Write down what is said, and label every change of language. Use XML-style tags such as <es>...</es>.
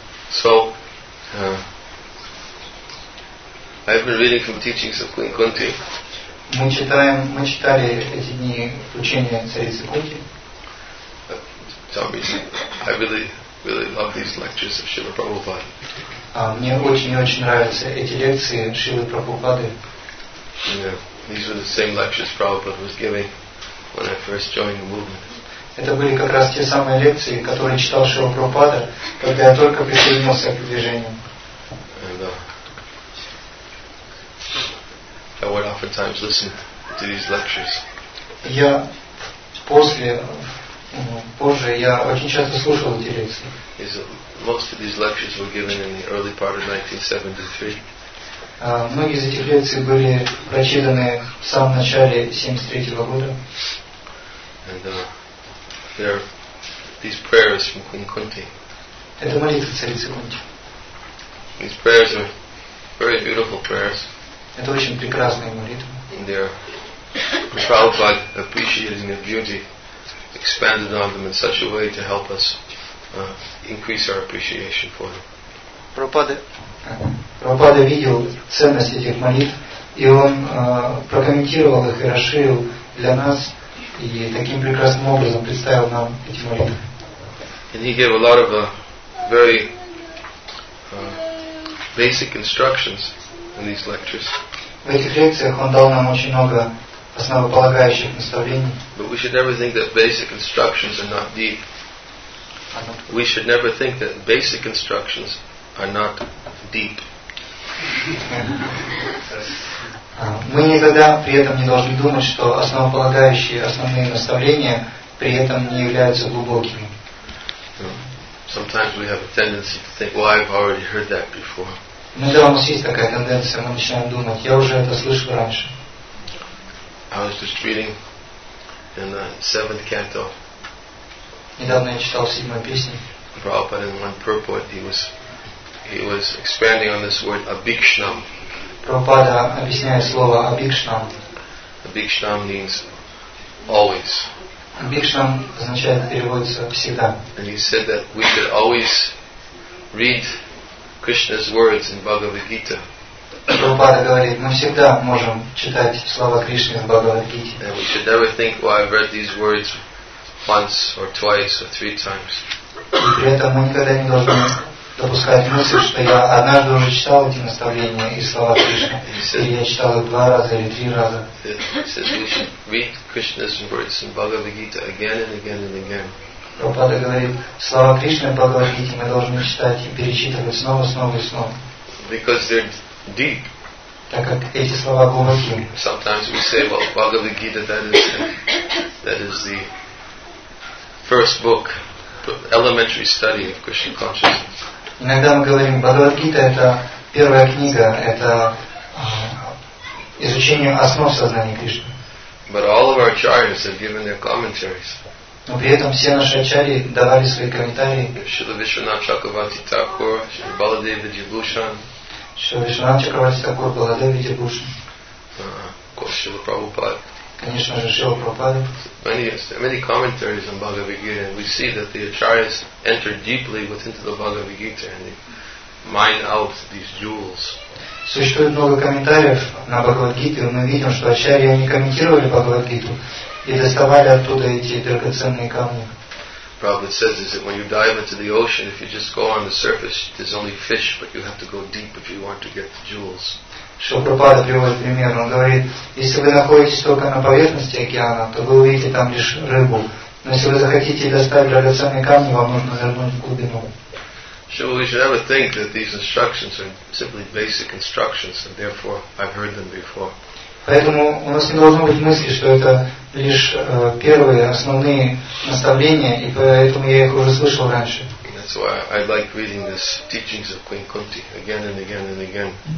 <en>So, I've been reading from teachings of Queen Kunti.</en> <ru>Мы читали эти дни учения царицы Кунти.</ru> <en>Tommy, I really love these lectures of Srila Prabhupada.</en> <ru>Мне очень-очень нравятся эти лекции Шрилы Прабхупады.</ru> <en>Yeah, these were the same lectures Prabhupada was giving when I first joined the movement.</en> <ru>Это были как раз те самые лекции, которые читал Шрила Прабхупада, когда я только присоединился к движению.</ru> <en>I would oftentimes listen to these lectures.</en> <ru>Я после, позже я очень часто слушал эти лекции.</ru> <en>Most of these lectures were given in the early part of 1973.</en> <ru>Многие из этих лекций были прочитаны в самом начале 73 года.</ru> <en>And there are these prayers from Queen Kunti.</en> <ru>Это молитвы царицы Кунти.</ru> <en>These prayers are very beautiful prayers.</en> <ru>Это очень прекрасная молитва.</ru> <en>They are Prabhupada appreciating their beauty, expanded on them in such a way to help us increase our appreciation for them.</en> <ru>Prabhupada видел ценность этих молитв, и он прокомментировал их и расширил для нас, и таким прекрасным образом представил нам эти молитвы.</ru> <en>And he gave a lot of very basic instructions in these lectures.</en> <ru>В этих лекциях он дал нам очень много основополагающих наставлений.</ru> <en>But we should never think that basic instructions are not deep. We should never think that basic instructions are not deep.</en> <ru>Мы никогда при этом не должны думать, что основополагающие основные наставления при этом не являются глубокими.</ru> <en>Sometimes we have a tendency to think, well, I've already heard that before.</en> <ru>Иногда у нас есть такая тенденция, мы начинаем думать, я уже это слышал раньше.</ru> <en>I was just reading in the seventh canto.</en> <ru>Недавно я читал седьмую песню.</ru> <en>Prabhupada in one purport, he was expanding on this word abhikshnam.</en> <ru>Prabhupada объясняет слово abhikshnam.</ru> <en>Abhikshnam means always.</en> <ru>Abhikshnam означает, переводится всегда.</ru> <en>And he said that we could always read Krishna's words in Bhagavad Gita.</en> <ru>Prabhupada говорит, мы всегда можем читать слова Кришны в Бхагавад Гите.</ru> <en>And we should never think, well, I've read these words once or twice or three times.</en> <ru>И при этом мы никогда не должны допускать мысль, что я однажды уже читал эти наставления и слова Кришны, или я читал их два раза или три раза.</ru> <en>He says we should read Krishna's words in Bhagavad Gita again and again and again.</en> <ru>Prabhupada говорит, слова Кришны в Бхагавад Гите мы должны читать и перечитывать снова, снова и снова.</ru> <en>Because they're deep.</en> <ru>Так как эти слова глубоки.</ru> <en>Sometimes we say, well, Bhagavad Gita, that is the first book, elementary study of Krishna consciousness.</en> <ru>Иногда мы говорим, Бхагавад Гита это первая книга, это изучение основ сознания Кришны.</ru> <en>But all of our acharyas have given their commentaries.</en> <ru>Но при этом все наши ачарьи давали свои комментарии. Шрила Вишванатха Чакраварти Тхакур, Шрила Баладева Дибхушан. Шрила Вишванатха Чакраварти Тхакур, Баладева Дибхушан. Шрила Прабхупада. Конечно же, Шрила Прабхупада.</ru> <en>Many commentaries on Bhagavad Gita, and we see that the acharyas enter deeply within the Bhagavad Gita and they mine out these jewels.</en> <ru>Существует много комментариев на Бхагавад Гиту, и мы видим, что ачарьи не комментировали Бхагавад Гиту и доставали оттуда эти драгоценные камни.</ru> <en>Prabhupada says is that when you dive into the ocean, if you just go on the surface, there's only fish, but you have to go deep if you want to get the jewels.</en> <ru>Шрила Прабхупада приводит пример. Он говорит, если вы находитесь только на поверхности океана, то вы увидите там лишь рыбу. Но если вы захотите доставить драгоценные камни, вам нужно нырнуть в глубину.</ru> <en>So we should never think that these instructions are simply basic instructions and therefore I've heard them before.</en> <ru>Поэтому у нас не должно быть мысли, что это лишь первые основные наставления, и поэтому я их уже слышал раньше.</ru> <en>That's why I like reading these teachings of Queen Kunti again and again and again.</en>